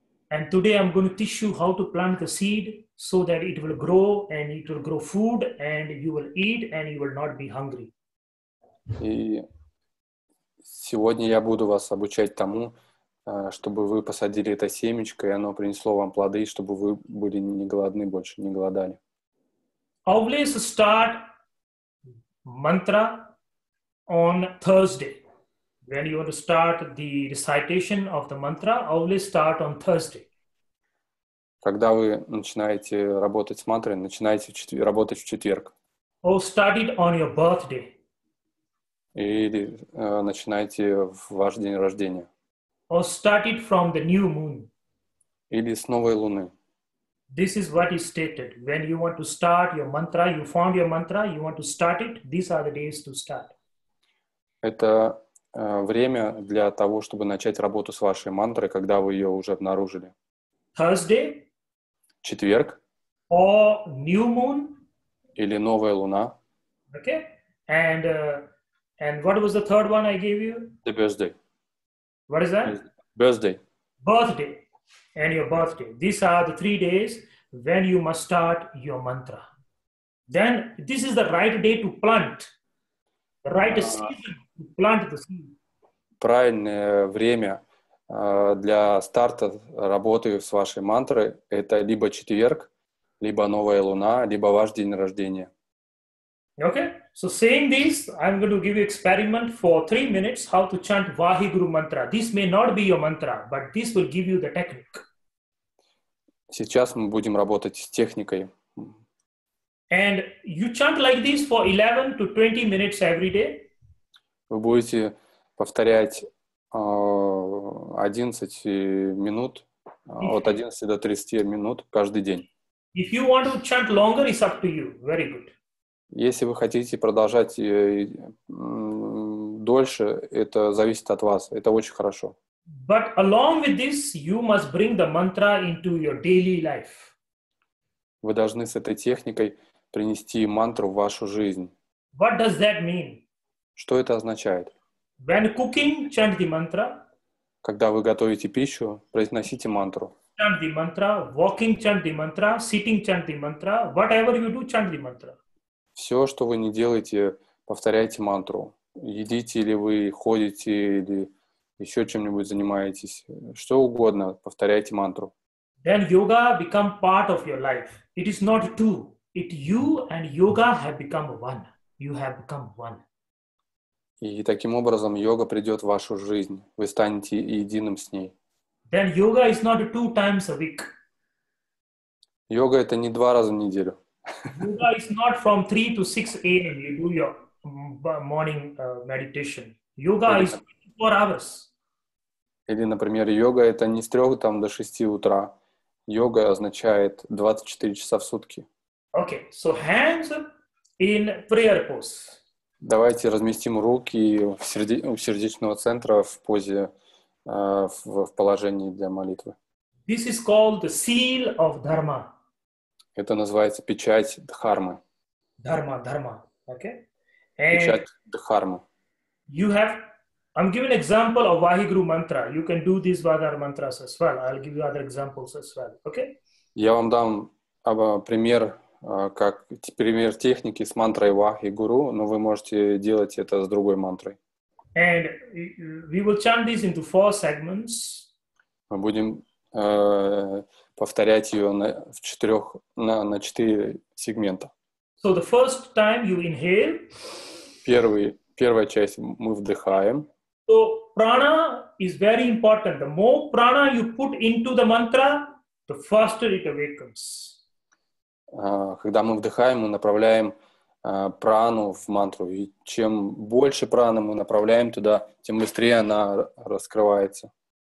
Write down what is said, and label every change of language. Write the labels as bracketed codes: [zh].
[en] And today I'm going to teach you how to plant the seed so that it will grow and it will grow food and you will eat and you will not be hungry. [ru] И сегодня я буду вас обучать тому, чтобы вы посадили это семечко, и оно принесло вам плоды, чтобы вы были не голодны больше, не голодали. [en] Always start mantra on Thursday. When you want to start the recitation of the mantra, always start on Thursday. [ru] Когда вы начинаете работать с мантрой, начинайте работать в четверг. [en] Or start it on your birthday. [ru] Или начинайте в ваш день рождения. [en] Or start it from the new moon. [ru] Или с новой луны. [en] This is what is stated. When you want to start your mantra, you found your mantra, you want to start it, these are the days to start. [ru] Это время для того, чтобы начать работу с вашей мантрой, когда вы ее уже обнаружили. [en] Thursday. [ru] Четверг. [en] Or new moon. [ru] Или новая луна. [en] Okay. And what was the third one I gave you? The birthday. What is that? Birthday. Birthday. And your birthday. These are the 3 days when you must start your mantra. Then this is the right day to plant. The right season to plant the seed. [ru] Правильное время для старта работы с вашей мантрой – это либо четверг, либо новая луна, либо ваш день рождения. [en] Okay, so saying this, I'm going to give you experiment for 3 minutes how to chant Vaheguru mantra. This may not be your mantra, but this will give you the technique. [ru] Сейчас мы будем работать с техникой. [en] And you chant like this for 11 to 20 minutes every day. [ru] Вы будете повторять 11 минут, от 11 до 30 минут каждый день. [en] If you want to chant longer, it's up to you. Very good. [ru] Если вы хотите продолжать дольше, это зависит от вас. Это очень хорошо. [en] But along with this, you must bring the mantra into your daily life. [ru] Вы должны с этой техникой принести мантру в вашу жизнь. [en] What does that mean? [ru] Что это означает? [en] When cooking, chant the mantra. [ru] Когда вы готовите пищу, произносите мантру. [en] Chant the mantra. Walking, chant the mantra. Sitting, chant the mantra. Whatever you do, chant the mantra. [ru] Все, что вы не делаете, повторяйте мантру. Едите ли вы, ходите или еще чем-нибудь занимаетесь. Что угодно, повторяйте мантру. [en] Then yoga become part of your life. It is not two. It you and yoga have become one. You have become one. [ru] И таким образом йога придет в вашу жизнь. Вы станете единым с ней. [en] Then yoga is not two times a week. [ru] Йога это не два раза в неделю. [en] Yoga is not from 3 to 6 a.m. you do your morning meditation. Yoga is 24 hours. [ru] Или, например, йога это не с 3 там до 6 утра. Йога означает 24 часа в сутки. [en] Okay, so hands in prayer pose. [ru] Давайте разместим руки у сердечного центра в позе, в положении для молитвы. [en] This is called the seal of dharma. [ru] Это называется печать дхармы. Дхарма, okay? And печать дхармы. [en] You have, I'm giving example of Vaheguru mantra. You can do these other mantras as well. I'll give you other examples as well, okay? [ru] Я вам дам пример. Как пример техники с мантрой Вахи-гуру, но вы можете делать это с другой мантрой. [en] And we will chant this into four segments. [ru] Мы будем повторять ее на четыре сегмента. [en] So the first time you inhale. [ru] Первая часть мы вдыхаем. [en] So prana is very important. The more prana you put into the mantra, the faster it awakens. [ru] Когда мы вдыхаем, мы направляем прану в мантру. И чем больше праны мы направляем туда, тем быстрее она раскрывается.